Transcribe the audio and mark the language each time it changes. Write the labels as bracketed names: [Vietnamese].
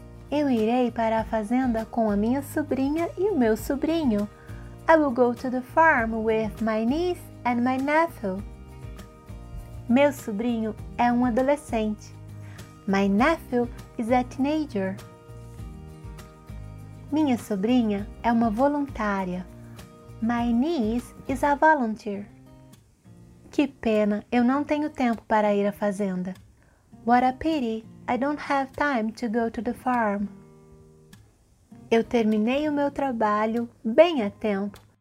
[Portuguese] Eu irei para a fazenda com a minha sobrinha e o meu sobrinho. [English] I will go to the farm with my niece and my nephew. [Portuguese] Meu sobrinho é um adolescente. [English] My nephew is a teenager. [Portuguese] Minha sobrinha é uma voluntária. [English] My niece is a volunteer. [Portuguese] Que pena, eu não tenho tempo para ir à fazenda. [English] What a pity, I don't have time to go to the farm. [Portuguese] Eu terminei o meu trabalho bem a tempo.